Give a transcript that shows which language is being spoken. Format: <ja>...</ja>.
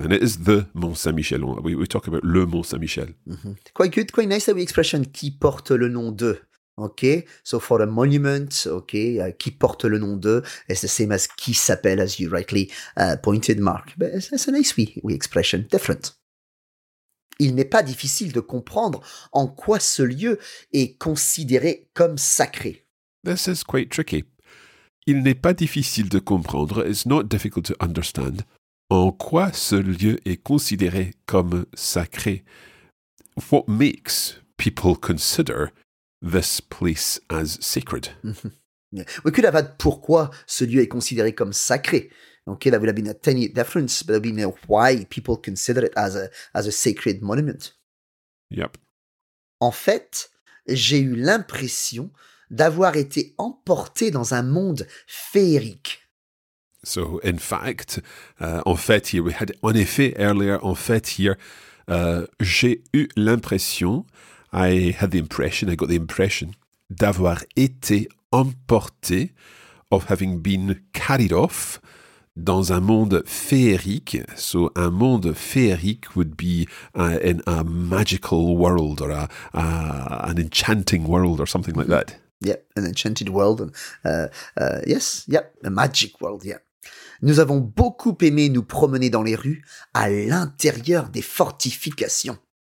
<en>And it is the Mont Saint-Michel. We talk about le Mont Saint-Michel. Mm-hmm. Quite good, quite nice, the expression</en> <fr>qui porte le nom de.</fr> <en>Okay, so for a monument, okay,</en> <fr>qui porte le nom de,</fr> <en>it's the same as</en> <fr>qui s'appelle,</fr> <en>as you rightly pointed, Mark. But it's a nice we expression, different.</en> <fr>Il n'est pas difficile de comprendre en quoi ce lieu est considéré comme sacré.</fr> <en>This is quite tricky.</en> <fr>Il n'est pas difficile de comprendre,</fr> <en>it's not difficult to understand,</en> <fr>en quoi ce lieu est considéré comme sacré.</fr> <en>What makes people consider this place as sacred? We could have had</en> <fr>pourquoi ce lieu est considéré comme sacré.</fr> <en>Okay, that would have been a tiny difference, but it would have been why people consider it as a sacred monument. Yep.</en> <fr>En fait, j'ai eu l'impression d'avoir été emporté dans un monde féerique.</fr> <en>So, in fact,</en> <fr>en fait,</fr> <en>here we had,</en> <fr>en effet,</fr> <en>earlier, en fait, here,</en> <fr>j'ai eu l'impression,</fr> <en>I had the impression, I got the impression,</en> <fr>d'avoir été emporté,</fr> <en>of having been carried off,</en> <fr>dans un monde féerique.</fr> <en>So,</en> <fr>un monde féerique</fr> <en>would be in a magical world, or an enchanting world, or something like that. Yep, an enchanted world. Yes, yep, a magic world, yeah.</en> <fr>Nous avons beaucoup aimé nous promener dans les rues à l'intérieur des fortifications.</fr>